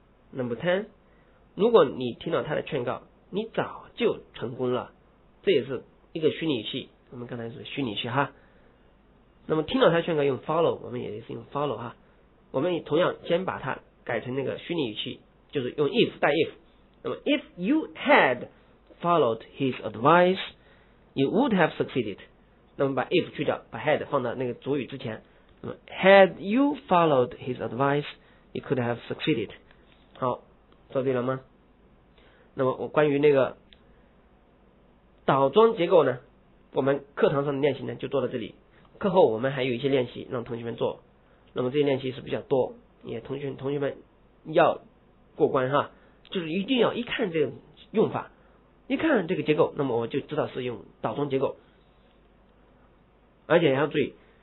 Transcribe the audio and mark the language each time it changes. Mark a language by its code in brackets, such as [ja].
[zh] Number 10, 如果你听到他的劝告你早就成功了，这也是一个虚拟语气，我们刚才是虚拟语气哈。那么听到他劝告用 follow, 我们也是用 follow 哈。我们同样先把它改成那个虚拟语气，就是用 if 带 if。那么 [en] if you had followed his advice you would have succeeded, [zh] 那么把 if 去掉，把 had 放到那个主语之前， [en] Had you followed his advice, you could have succeeded. [zh] 好，做对了吗？那么我关于那个倒装结构呢，我们课堂上的练习呢就做到这里。课后我们还有一些练习让同学们做，那么这些练习是比较多，也同学们要过关哈，就是一定要一看这个用法，一看这个结构，那么我就知道是用倒装结构，而且要注意。